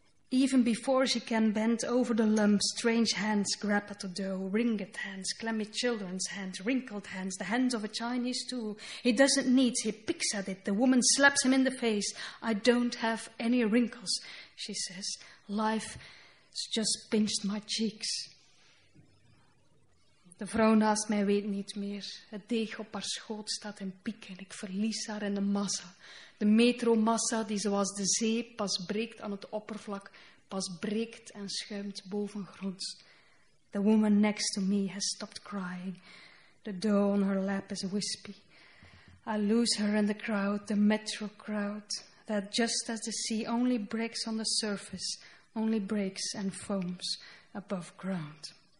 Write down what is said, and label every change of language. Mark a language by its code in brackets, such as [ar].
[en] Even before she can bend over the lump, strange hands grab at the dough. Ringed hands, clammy children's hands, wrinkled hands, the hands of a Chinese too. He doesn't knead, he picks at it. The woman slaps him in the face. "I don't have any wrinkles," she says. "Life's just pinched my cheeks." [nl] De vrouw naast mij weet niet meer. Het deeg op haar schoot staat in piek en ik verlies haar in de massa. De metromassa die zoals de zee pas breekt aan het oppervlak, pas breekt en schuimt boven gronds. [en] The woman next to me has stopped crying. The dough on her lap is wispy. I lose her in the crowd, the metro crowd, that just as the sea only breaks on the surface, only breaks and foams above ground.